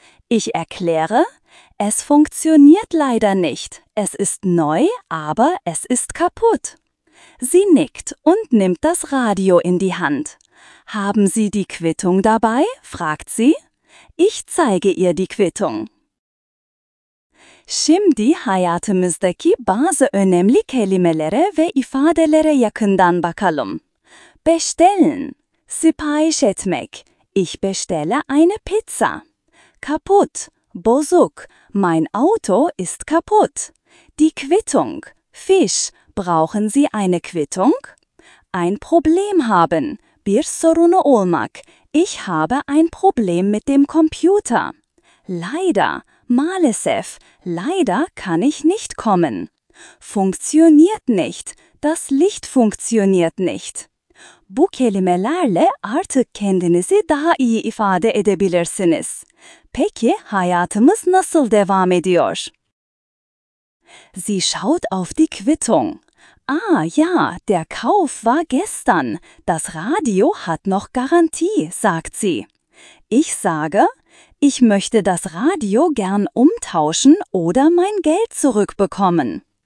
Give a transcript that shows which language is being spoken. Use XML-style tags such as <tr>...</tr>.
<de>Ich erkläre: "Es funktioniert leider nicht. Es ist neu, aber es ist kaputt." Sie nickt und nimmt das Radio in die Hand. "Haben Sie die Quittung dabei?" fragt sie. Ich zeige ihr die Quittung.</de> <tr>Şimdi hayatımızdaki bazı önemli kelimelere ve ifadelere yakından bakalım. Bestellen, sipariş etmek.</tr> <de>Ich bestelle eine Pizza. Kaputt, bozuk. Mein Auto ist kaputt. Die Quittung. Fisch. Brauchen Sie eine Quittung? Ein Problem haben.</de> <tr>Bir sorunu olmak.</tr> <de>Ich habe ein Problem mit dem Computer. Leider.</de> <tr>Maalesef.</tr> <de>Leider kann ich nicht kommen. Funktioniert nicht. Das Licht funktioniert nicht.</de> <tr>Bu kelimelerle artık kendinizi daha iyi ifade edebilirsiniz. Peki, hayatımız nasıl devam ediyor?</tr> <de>Sie schaut auf die Quittung. Ah ja, der Kauf war gestern. Das Radio hat noch Garantie, sagt sie. Ich sage: "Ich möchte das Radio gern umtauschen oder mein Geld zurückbekommen."</de>